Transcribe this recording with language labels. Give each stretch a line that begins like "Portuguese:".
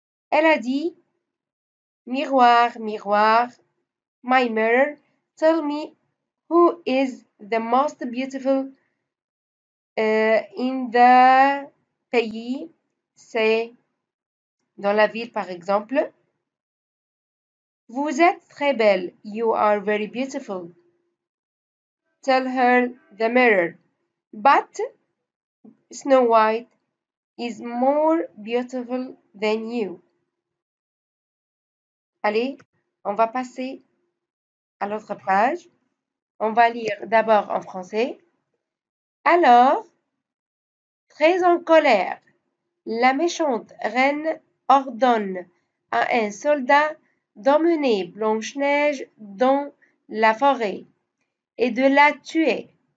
French: Elle a dit, miroir, miroir,
English: my mirror, tell me who is the most beautiful in the
French: pays, c'est dans la ville par exemple. Vous êtes très belle,
English: you are very beautiful. Tell her the mirror. But Snow White is more beautiful than you.
French: Allez, on va passer à l'autre page. On va lire d'abord en français. Alors, très en colère, la méchante reine ordonne à un soldat d'emmener Blanche-Neige dans la forêt et de la tuer.